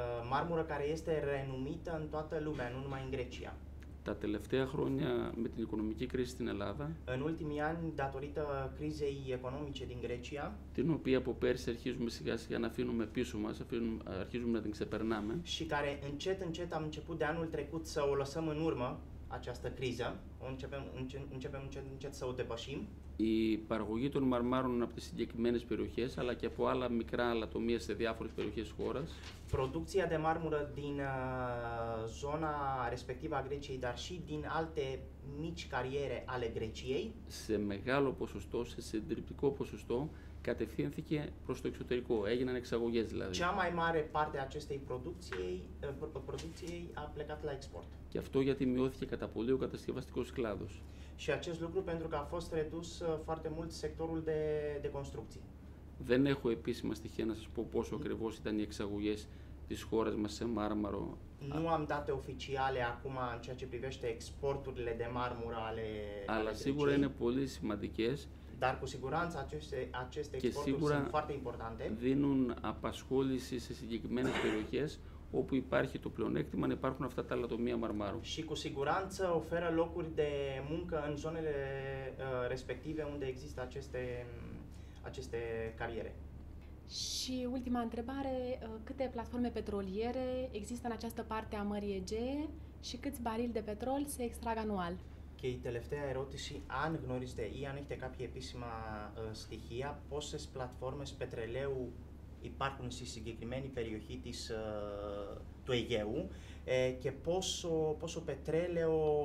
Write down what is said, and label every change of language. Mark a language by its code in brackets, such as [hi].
[ro] Μάρμουρα care este renumită în toată lumea, nu numai în Grecia. [el] Τα τελευταία χρόνια με την οικονομική κρίση στην Ελλάδα. [ro] În ultimii ani, datorită crizei economice din Grecia. [el] Την οποία από πέρσι αρχίζουμε σιγά σιγά να αφήνουμε πίσω μας, αρχίζουμε να την ξεπερνάμε. [ro] Și care încet încet am început de anul trecut să o lăsăm în urmă, această criză, începem încet să o depășim. [el] Η παραγωγή των μαρμάρων από τις συγκεκριμένες περιοχές αλλά και από άλλα μικρά λατομεία σε διάφορες περιοχές της χώρας. [ro] Producția de marmură din zona respectivă a Greciei, dar și din alte mici cariere ale Greciei. [el] Σε μεγάλο ποσοστό, σε συντριπτικό ποσοστό, κατευθύνθηκε προς το εξωτερικό. Έγιναν εξαγωγές δηλαδή. [ro] Cea mai mare parte acestei producției a plecat la export. [el] Και αυτό γιατί μειώθηκε κατά πολύ ο κατασκευαστικός κλάδος. [ro] Și acest lucru pentru că a fost redus foarte mult sectorul de construcții. [el] Δεν έχω επίσημα στοιχεία να σας πω πόσο ακριβώς ήταν οι εξαγωγές της χώρας μας σε μάρμαρο. [ro] Nu am date oficiale acum în ceea ce privește exporturile de marmură ale Greciei. [el] Αλλά σίγουρα είναι πολύ σημαντικές. [ro] Dar cu siguranță aceste exporturi sunt foarte importante. [el] Και σίγουρα δίνουν απασχόληση σε συγκεκριμένες περιοχές όπου υπάρχει το πλεονέκτημα να υπάρχουν αυτά τα λατομεία μαρμάρου. [ro] Și cu siguranță oferă locuri de muncă în zonele respective unde există aceste cariere. Și ultima întrebare, câte platforme petroliere există în această parte a Mării Egee și câți barili de petrol se extrag anual? [el] Και η τελευταία ερώτηση, αν γνωρίζετε ή αν έχετε κάποια επίσημα στοιχεία, πόσες πλατφόρμες πετρελαίου υπάρχουν στη συγκεκριμένη περιοχή της, του Αιγαίου και πόσο πετρέλαιο